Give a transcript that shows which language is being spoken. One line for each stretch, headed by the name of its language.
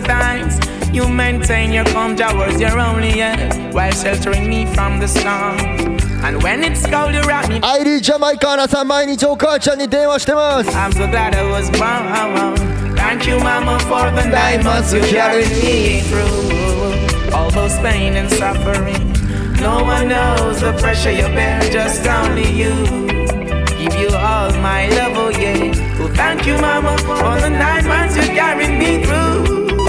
English: Sometimes you maintain your calm towards your only end While sheltering me from the storm And when it's cold you wrap me
Japanese: アイリージャマイカーナさん毎日お母ちゃんに電話してます。
English: I'm so glad I was born Thank you mama for the 9 months you carried me through All those pain and suffering No one knows the pressure you bear Just only you Give you all my love oh yeah well, Thank you mama for the 9 months you carried me through